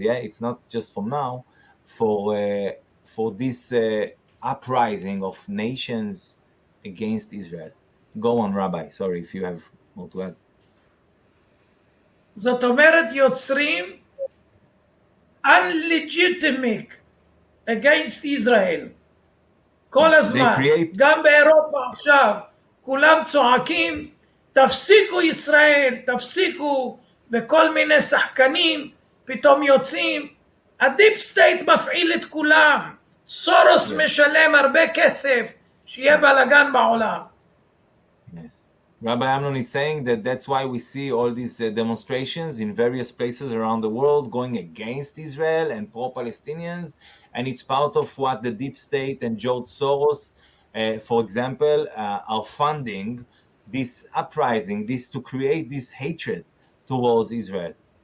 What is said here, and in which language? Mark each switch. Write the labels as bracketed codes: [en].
[en] Yeah, it's not just from now, for this uprising of nations against Israel. Go on, Rabbi. Sorry, if you have more to add. [he] זאת אומרת, יוצרים [en] unlegitimate against Israel. [he] כל הזמן, גם באירופה עכשיו, כולם צועקים, תפסיקו ישראל, תפסיקו, וכל מיני שחקנים פתאום יוצאים. הדיפ סטייט מפעיל את כולם. סורוס משלם הרבה כסף שיהיה בלגן בעולם. [en] Yes. Rabbi Amnon is saying that that's why we see all these demonstrations in various places around the world going against Israel and pro-Palestinians, and it's part of what the deep state and George Soros, for example, are funding this uprising, this to create this hatred towards Israel.